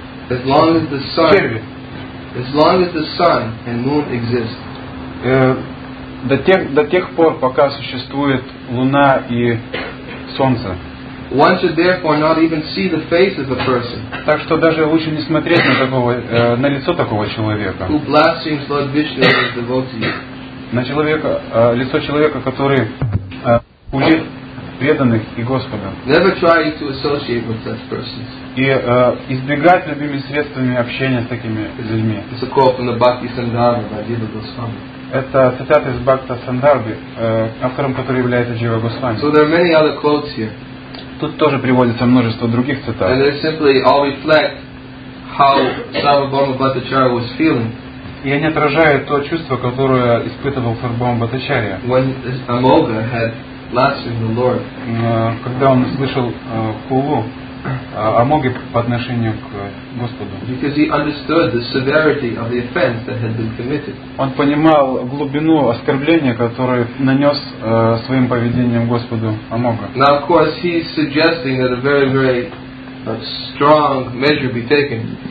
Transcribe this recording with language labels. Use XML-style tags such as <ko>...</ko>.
<en>As long as the sun, черви. As long as the sun and moon exist.</en> <ru>До тех пор, пока существует луна и солнце.</ru> <en>One should therefore not even see the face of a person.</en> <ru>Так что даже лучше не смотреть на такого, на лицо такого человека.</ru> <en>Who blasphemes Lord Vishnu and his devotees.</en> <ru>На человека, лицо человека, который хулит преданных и Господа.</ru> <en>Never try to associate with such persons.</en> <ru>И избегать любыми средствами общения с такими людьми.</ru> <en>It's a quote from the Bhakti Sandhara by Jiva Goswami.</en> <ru>Это цитата из Бхакта Сандарби, автором которого является Джива Госвами.</ru> <en>So there are many other quotes here.</en> <ru>Тут тоже приводится множество других цитат.</ru> <en>And they simply all reflect how Sarvabhauma Bhattacharya was feeling.</en> <ru>И они отражают то чувство, которое испытывал Сарвабхаума Бхаттачарья.</ru> <en>When Amoga had blasphemed the Lord.</en> <ru>Когда он слышал хулу Амоги по отношению к Господу.</ru> <en>Because he understood the severity of the offense that had been committed.</en> <ru>Он понимал глубину оскорбления, которое нанес своим поведением Господу Амога.</ru> <en>Now, of course, he's suggesting that a very, very strong measure be taken.</en>